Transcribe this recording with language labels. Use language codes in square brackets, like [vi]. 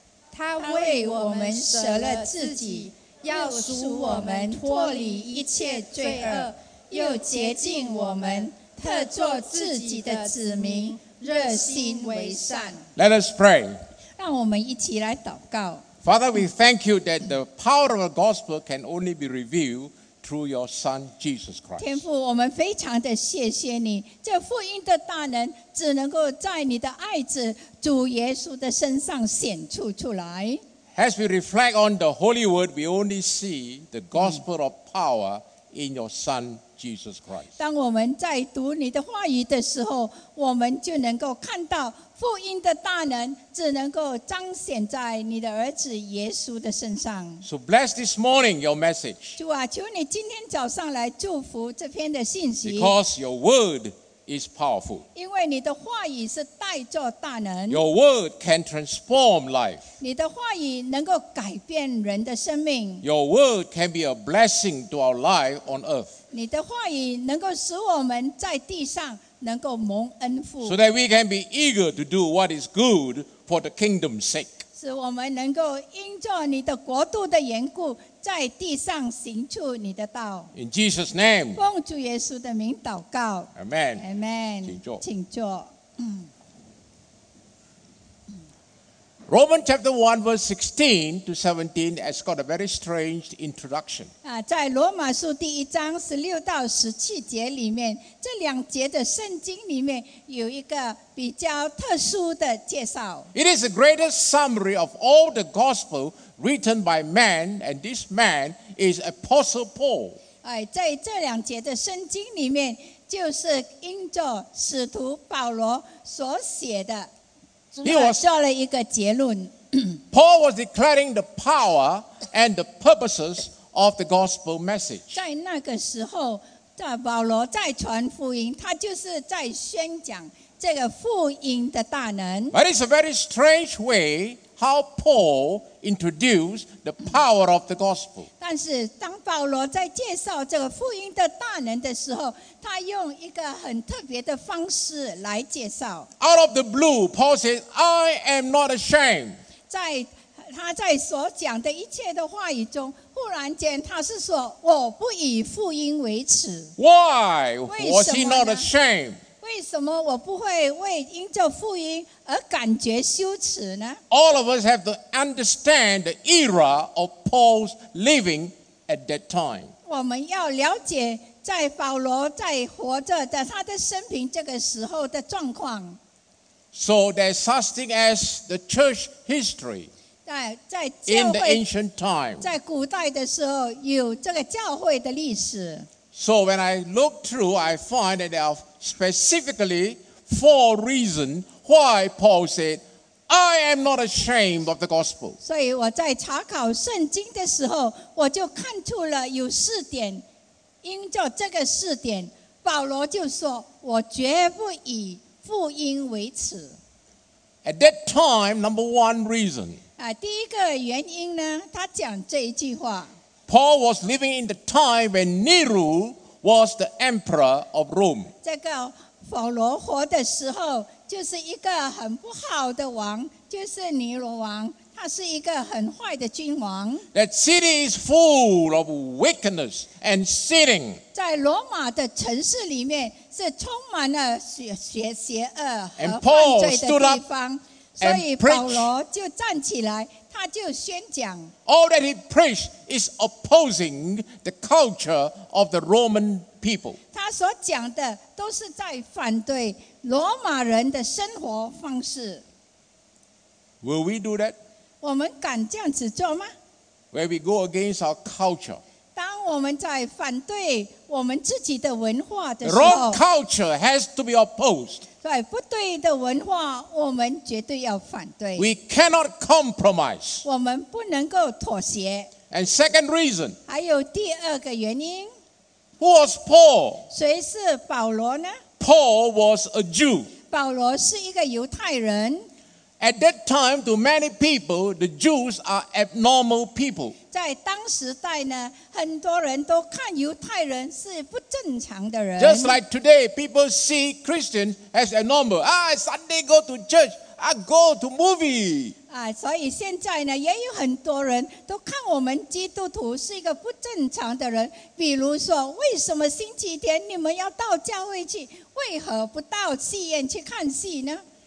[zh] 他为我们舍了自己，要赎我们脱离一切罪恶，又洁净我们，特作自己的子民，热心为善。 [en] Let us pray. [zh] 让我们一起来祷告。 [en] Father, we thank you that the power of the gospel can only be revealed. Through your Son Jesus Christ. [zh] 天父，我们非常的谢谢你，这福音的大能只能够在你的爱子主耶稣的身上显出出来。 [en] As we reflect on the Holy Word, we only see the gospel of power in your Son Jesus Christ. [zh] 当我们在读你的话语的时候，我们就能够看到福音的大能只能够彰显在你的儿子耶稣的身上。 [en] So bless this morning your message. [zh] 主啊，求你今天早上来祝福这篇的信息。 [en] Because your word is powerful. [zh] 因为你的话语是带着大能。 [en] Your word can transform life. [zh] 你的话语能够改变人的生命。 [en] Your word can be a blessing to our life on earth. [zh] 你的话语能够使我们在地上能够蒙恩福。 [en] So that we can be eager to do what is good for the kingdom's sake. [zh] 使我们能够因着你的国度的缘故，在地上行出你的道。 [en] In Jesus' name. [zh] 奉主耶稣的名祷告。 [en] Amen. Amen. [zh] 请坐。请坐。 [en] Romans chapter 1 verse 16 to 17 has got a very strange introduction. [zh] 在罗马书第一章16到17节里面，这两节的圣经里面有一个比较特殊的介绍。 [en] It is the greatest summary of all the gospel written by man, and this man is Apostle Paul. [zh] 在这两节的圣经里面，就是因着使徒保罗所写的。 [en] Paul was declaring the power and the purposes of the gospel message. [zh] 在那个时候，保罗在传福音，他就是在宣讲这个福音的大能。 [en] But it's a very strange way how Paul introduced the power of the gospel. [zh] 但是当保罗在介绍这个福音的大能的时候，他用一个很特别的方式来介绍。 [en] Out of the blue, Paul says, "I am not ashamed." [zh] 在他在所讲的一切的话语中，忽然间他是说，我不以福音为耻。 [en] Why was he not ashamed? [zh] 为什么我不会为因着福音而感觉羞耻呢？ [en] All of us have to understand the era of Paul's living at that time. [zh] 我们要了解在保罗在活着的他的生平这个时候的状况。 [en] So there's such thing as the church history. [zh] 在教会 [en] in the ancient time. [zh] 在古代的时候有这个教会的历史。 [en] So when I look through, I find that there are specifically four reasons why Paul said, "I am not ashamed of the gospel." [zh] 所以我在查考圣经的时候，我就看出了有四点。因着这个四点，保罗就说，我绝不以福音为耻。 [en] At that time, number one reason. [zh] 第一个原因呢，他讲这一句话。 [en] Paul was living in the time when Nero was the emperor of Rome. [zh] 这个保罗活的时候就是一个很不好的王，就是尼罗王，他是一个很坏的君王。 [en] That city is full of wickedness and sinning. [zh] 在罗马的城市里面是充满了邪恶和犯罪的地方。所以保罗就站起来，他就宣讲。 [en] All that he preached is opposing the culture of the Roman people. [zh] 他所讲的都是在反对罗马人的生活方式。 [en] Will we do that? [zh] 我们敢这样子做吗？ [en] Where we go against our culture. [zh] 当我们在反对我们自己的文化的时候， [en] Wrong culture has to be opposed. [zh] 对，不对的文化，我们绝对要反对。 [en] We cannot compromise. [zh] 我们不能够妥协。 [en] And second reason. [zh] 还有第二个原因。 [en] Who was Paul? [zh] 谁是保罗呢？ [en] Paul was a Jew. [zh] 保罗是一个犹太人。 [en] At that time, to many people, the Jews are abnormal people. [zh] 在当时代呢，很多人都看犹太人是不正常的人。 [en] Just like today, people see Christians as abnormal. Sunday go to church, go to movie. [zh] 所以现在呢，也有很多人都看我们基督徒是一个不正常的人。比如说，为什么星期天你们要到教会去？为何不到戏院去看戏呢？